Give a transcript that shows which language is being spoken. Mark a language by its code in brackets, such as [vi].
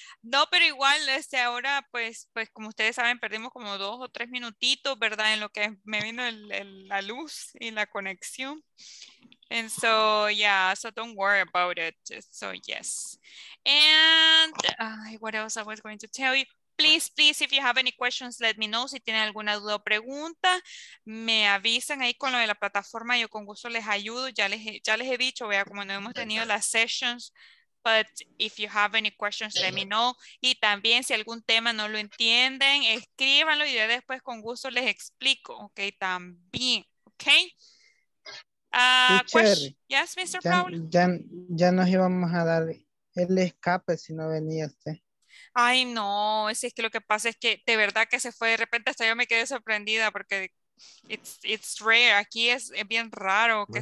[es] No, pero igual, ahora, pues, como ustedes saben, perdimos como 2 o 3 minutitos, ¿verdad? En lo que me vino la luz y la conexión. [en] And so, yeah, so don't worry about it. So, yes. And what else I was going to tell you? Please, if you have any questions, let me know. [es] Si tienen alguna duda o pregunta, me avisan ahí con lo de la plataforma. Yo con gusto les ayudo. Ya les he dicho, vea, como no hemos tenido las sessions [en] But if you have any questions, let me know. [es] Y también si algún tema no lo entienden, escríbanlo y yo después con gusto les explico. Ok, también. Ok. [en] Teacher, yes, Mr. [es] Ya, Paul. Ya nos íbamos a dar el escape si no venía usted. Ay, no, si es que lo que pasa es que de verdad que se fue de repente, hasta yo me quedé sorprendida porque [en] it's rare, [es] aquí es bien raro que